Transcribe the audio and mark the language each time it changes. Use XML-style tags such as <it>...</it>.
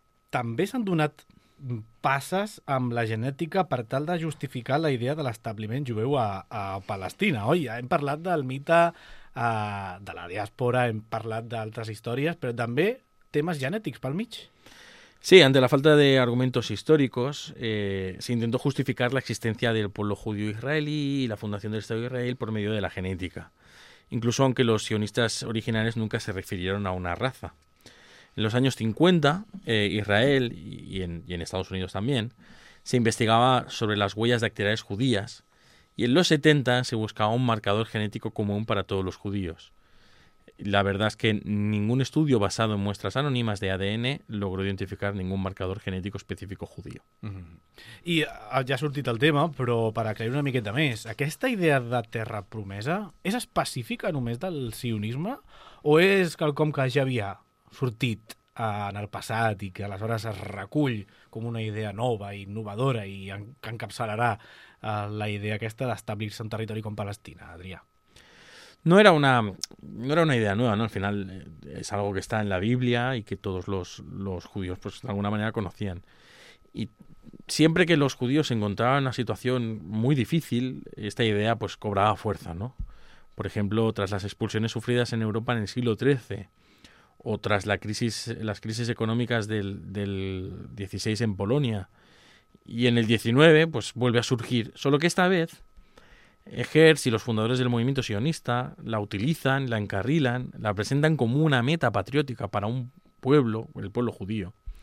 <ca>També s'han donat passes amb la genètica per tal de justificar la idea de l'establiment jueu a Palestina, oi? Hem parlat del mite de la diàspora, hem parlat d'altres històries, però també...</ca> <es>temas genéticos, palmich. Sí, ante la falta de argumentos históricos, se intentó justificar la existencia del pueblo judío israelí y la fundación del Estado de Israel por medio de la genética, incluso aunque los sionistas originales nunca se refirieron a una raza. En los años 50, Israel y en Estados Unidos también, se investigaba sobre las huellas de actividades judías y en los 70 se buscaba un marcador genético común para todos los judíos. La verdad es que ningún estudio basado en muestras anónimas de ADN logró identificar ningún marcador genético específico judío.</es> <ca>Uh-huh. I ja ha sortit el tema, però per aclarir una miqueta més, aquesta idea de terra promesa és específica només del sionisme o és quelcom que ja havia sortit en el passat i que aleshores es recull com una idea nova i innovadora i que encapçalarà la idea aquesta d'establir-se un territori com Palestina, Adrià?</ca> <es>No era una idea nueva, ¿no? Al final es algo que está en la Biblia y que todos los judíos pues de alguna manera conocían. Y siempre que los judíos se encontraban en una situación muy difícil, esta idea pues cobraba fuerza, ¿no? Por ejemplo, tras las expulsiones sufridas en Europa en el siglo XIII o tras las crisis económicas del 16 en Polonia y en el 19 pues vuelve a surgir, solo que esta vez Hertz y los fundadores del movimiento sionista la utilizan, la encarrilan, la presentan como una meta patriótica para un pueblo, el pueblo judío.</es>